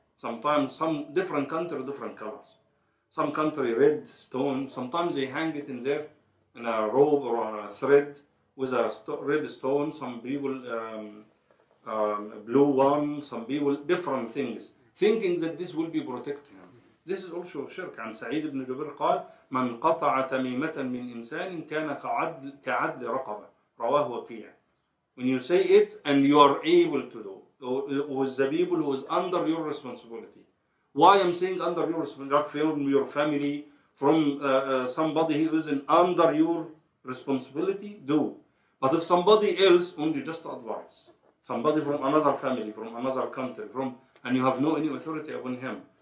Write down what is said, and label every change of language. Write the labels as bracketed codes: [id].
[en] Sometimes some different country, different colors. Some country red stone. Sometimes they hang it in there in a robe or on a thread with a red stone. Some people. Blue one, some people, different things, thinking that this will be protecting him. This is also shirk. [ar] And Sa'id ibn Jubir قال, من قطع تميمة من إنسان كان كعدل رقبة. رواه وقيع. [en] When you say it and you are able to do, with the people who is under your responsibility. Why I'm saying under your responsibility? Like from your family, from somebody who is under your responsibility, do. But if somebody else, only just advice. Somebody from another family, from another country, from, and you have no any authority upon him.